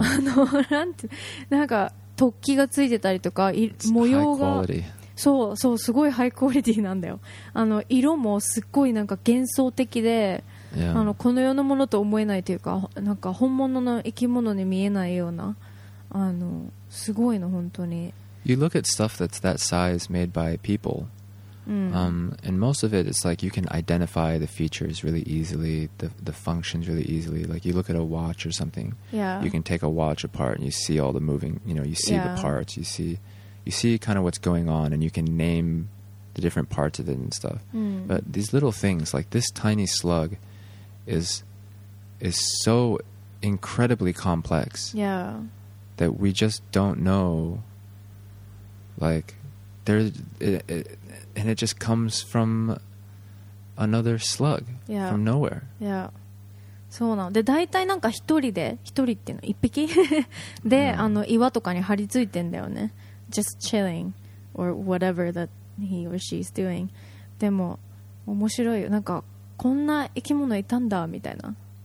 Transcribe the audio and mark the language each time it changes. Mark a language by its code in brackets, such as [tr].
[ja] あのなんて、なんか突起がついてたりとか、模様が、そうそう、すごいハイクオリティなんだよ。あの色もすっごいなんか幻想的で、 [en] yeah. [ja] あのこの世のものと思えないというか、なんか本物の生き物に見えないような、あのすごいの本当に。 [en] You look at stuff that's that size made by people、and most of it is like you can identify the features really easily, the functions really easily. Like you look at a watch or something, yeah. you can take a watch apart and you see all the moving, you know, you see yeah. the parts, you see kind of what's going on, and you can name the different parts of it and stuff. But these little things, like this tiny slug is so incredibly complex yeah. that we just don't know, like, there's... And it just comes from another slug yeah. from nowhere. Yeah. [ja] そうなの。で、大体なんか一人っていうの、一匹で、yeah. あの岩とかに張り付いてんだよね。 [en] Just chilling or whatever that he or she is doing. [ja] でも面白いよ。なんかこんな生き物いたんだみたいな。